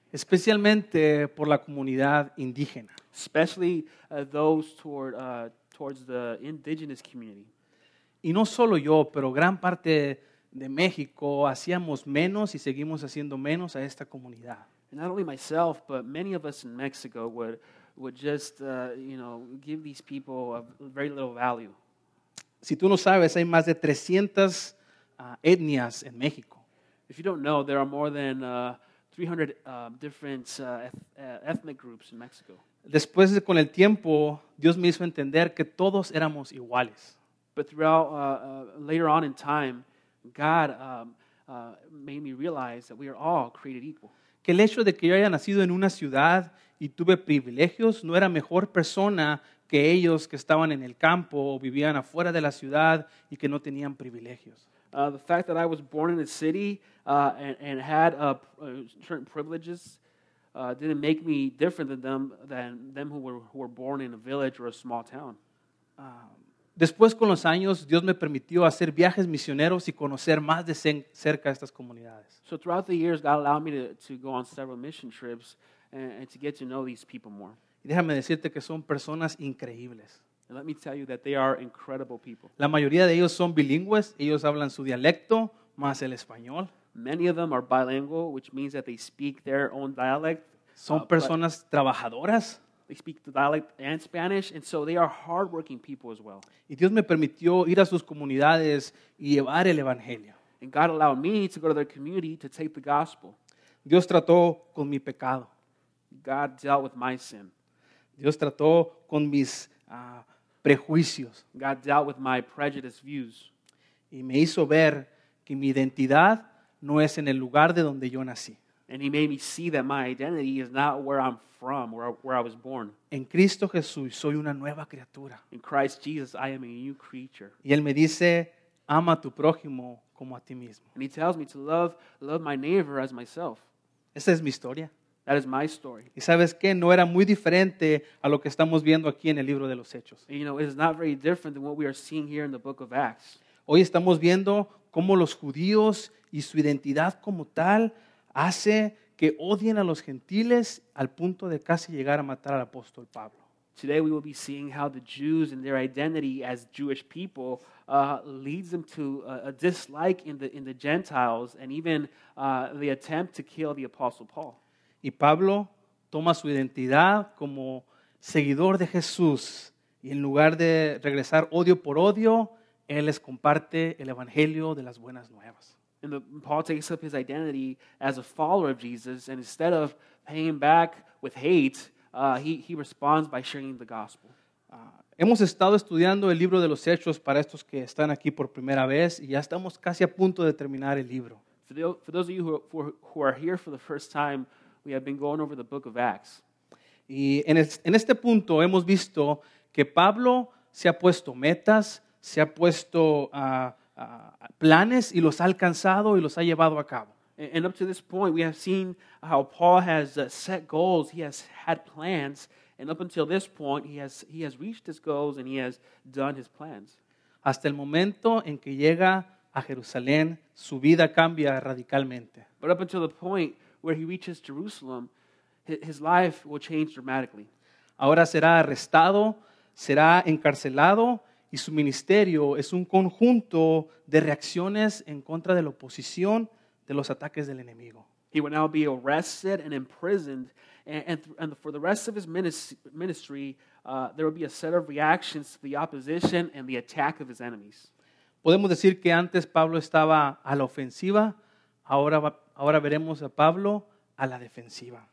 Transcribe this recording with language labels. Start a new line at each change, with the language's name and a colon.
Spanish: Especialmente por la comunidad indígena.
English: Especially those towards the indigenous community.
Spanish: Y no solo yo, pero gran parte de México hacíamos menos y seguimos haciendo menos a esta comunidad.
English: And not only myself, but many of us in Mexico would just give these people a very little value.
Spanish: Si tú no sabes, hay más de 300 etnias en México.
English: If you don't know, there are more than 300 different ethnic groups in Mexico.
Spanish: Después de con el tiempo, Dios me hizo entender que todos éramos iguales.
English: But throughout later on in time, God made me realize that we are all created equal.
Spanish: Que el hecho de que yo haya nacido en una ciudad y tuve privilegios no era mejor persona que ellos que estaban en el campo o vivían afuera de la ciudad y que no tenían privilegios.
English: The fact that I was born in a city and had certain privileges didn't make me different than them who were born in a village or a small town.
Spanish: Después con los años, Dios me permitió hacer viajes misioneros y conocer más de cerca a estas comunidades.
English: So throughout the years, God allowed me to go on several mission trips and to get to know these people more.
Spanish: Y déjame decirte que son personas increíbles.
English: And let me tell you that they are incredible people.
Spanish: La mayoría de ellos son bilingües. Ellos hablan su dialecto más el español.
English: Many of them are bilingual, which means that they speak their own dialect.
Spanish: Son personas trabajadoras.
English: They speak the dialect and Spanish, and so they are hardworking people as well.
Spanish: Y Dios me permitió ir a sus comunidades y llevar el evangelio.
English: And God allowed me to go to their community to take the gospel.
Spanish: Dios trató con mi pecado.
English: God dealt with my sin.
Spanish: Dios trató con mis prejuicios.
English: God dealt with my prejudiced views.
Spanish: Y me hizo ver que mi identidad no es en el lugar de donde yo nací.
English: And he made me see that my identity is not where I'm from, where I was born.
Spanish: En Cristo Jesús soy una nueva criatura.
English: In Christ Jesus, I am a new creature.
Spanish: Y él me dice, ama a tu prójimo como a ti mismo.
English: And he tells me to love my neighbor as myself.
Spanish: Esa es mi historia.
English: That is my story.
Spanish: Y sabes qué, no era muy diferente a lo que estamos viendo aquí en el libro de los Hechos.
English: And you know, it is not very different than what we are seeing here in the book of Acts.
Spanish: Hoy estamos viendo cómo los judíos y su identidad como tal hace que odien a los gentiles al punto de casi llegar a matar al apóstol Pablo.
English: Today we will be seeing how the Jews and their identity as Jewish people leads them to a dislike in the Gentiles and even the attempt to kill the apostle Paul.
Spanish: Y Pablo toma su identidad como seguidor de Jesús y en lugar de regresar odio por odio, él les comparte el evangelio de las buenas nuevas.
English: And Paul takes up his identity as a follower of Jesus, and instead of paying back with hate, he responds by sharing the gospel.
Spanish: Hemos estado estudiando el libro de los Hechos para estos que están aquí por primera vez, y ya estamos casi a punto de terminar el libro.
English: For those of you who are here for the first time, we have been going over the book of Acts.
Spanish: Y en este punto hemos visto que Pablo se ha puesto metas, se ha puesto planes y los ha alcanzado y los ha llevado a cabo.
English: And up to this point, we have seen how Paul has set goals, he has had plans, and up until this point, he has reached his goals and he has done his plans.
Spanish: Hasta el momento en que llega a Jerusalén, su vida cambia radicalmente.
English: But up until the point where he reaches Jerusalem, his life will change dramatically.
Spanish: Ahora será arrestado, será encarcelado, y su ministerio es un conjunto de reacciones en contra de la oposición, de los ataques del enemigo.
English: He will now be arrested and imprisoned, and for the rest of his ministry, there will be a set of reactions to the opposition and the attack of his enemies.
Spanish: Podemos decir que antes Pablo estaba a la ofensiva, ahora veremos a Pablo a la defensiva.